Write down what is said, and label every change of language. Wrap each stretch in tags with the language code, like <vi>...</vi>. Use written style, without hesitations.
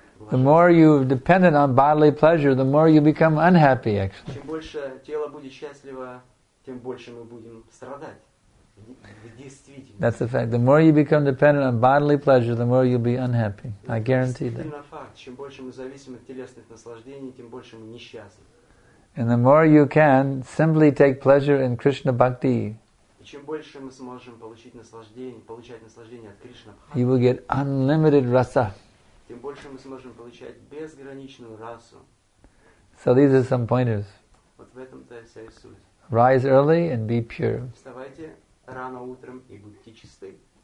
<en>The more you are dependent on bodily pleasure, the more you become unhappy, actually.</en> <ru>Тем больше мы будем страдать. Действительно.</ru> <en>That's the fact. The more you become dependent on bodily pleasure, the more you'll be unhappy. I guarantee that.</en> <ru>Факт. Чем больше мы зависим от телесных наслаждений, тем больше мы несчастны.</ru> <en>And the more you can simply take pleasure in Krishna Bhakti,</en> <ru>и чем больше мы сможем получать наслаждение от Кришна Бхакти,</ru> <en>you will get unlimited rasa.</en> <ru>Тем больше мы сможем получать безграничную расу.</ru> <en>So these are some pointers.</en> <ru>Вот в этом-то и вся суть.</ru> <en>Rise early and be pure.</en> <ru>Вставайте рано утром и будьте чисты.</ru>